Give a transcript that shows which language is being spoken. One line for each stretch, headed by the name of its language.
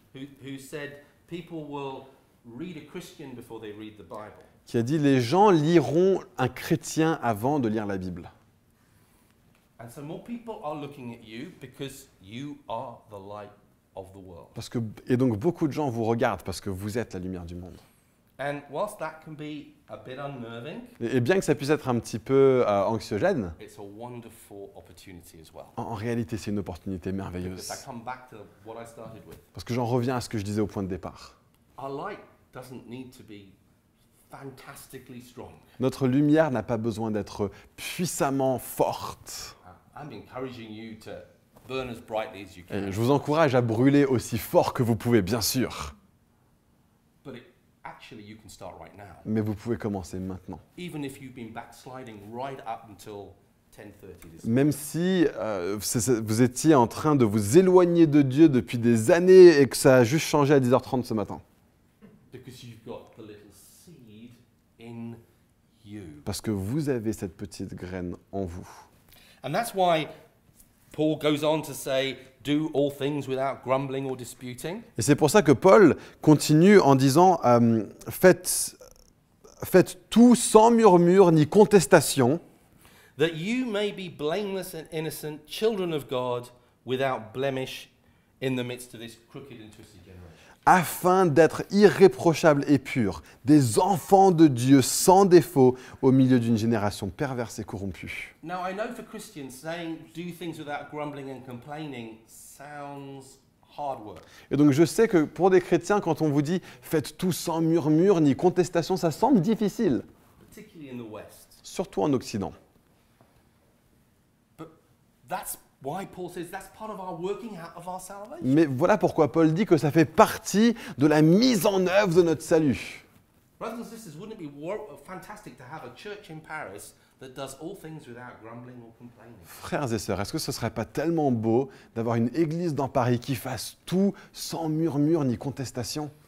English: who said, people will read a Christian before they read the Bible.
French: Qui a dit, les gens liront un chrétien avant de lire la Bible.
English: And so more people are looking at you because you are the light. Of the world.
French: Parce que, et donc beaucoup de gens vous regardent parce que vous êtes la lumière du monde.
English: And whilst that can be a bit unnerving,
French: et bien que ça puisse être un petit peu anxiogène,
English: it's a wonderful opportunity as well.
French: En réalité, c'est une opportunité merveilleuse.
English: Because I come back to what I started with.
French: Parce que j'en reviens à ce que je disais au point de départ.
English: Our light doesn't need to be fantastically strong.
French: Notre lumière n'a pas besoin d'être puissamment forte.
English: I'm encouraging you to burn as brightly as you can.
French: Et je vous encourage à brûler aussi fort que vous pouvez, bien sûr.
English: But actually you can start right now.
French: Mais vous pouvez commencer maintenant.
English: Even if you've been backsliding right up until 10:30 this morning.
French: Même si vous étiez en train de vous éloigner de Dieu depuis des années et que ça a juste changé à 10h30 ce matin.
English: Because you've got the little seed in you.
French: Parce que vous avez cette petite graine en vous.
English: And that's why Paul goes on to say, do all things without grumbling or disputing.
French: Et c'est pour ça que Paul continue en disant, faites tout sans murmure ni contestation.
English: That you may be blameless and innocent children of God without blemish in the midst of this crooked and twisted generation.
French: Afin d'être irréprochable et pur, des enfants de Dieu sans défaut au milieu d'une génération perverse et corrompue.
English: Now I know for Christians saying do things without grumbling and complaining sounds hard work.
French: Et donc je sais que pour des chrétiens, quand on vous dit faites tout sans murmure ni contestation, ça semble difficile.
English: Particularly in the West.
French: Surtout en Occident.
English: But that's why Paul says that's part of our working out of our salvation.
French: Mais voilà pourquoi Paul dit que ça fait partie de la mise en œuvre de notre salut.
English: Brothers and sisters, wouldn't it be fantastic to have a church in Paris that does all things without grumbling or complaining?
French: Frères et sœurs, est-ce que ce serait pas tellement beau d'avoir une église dans Paris qui fasse tout sans murmure ni contestation?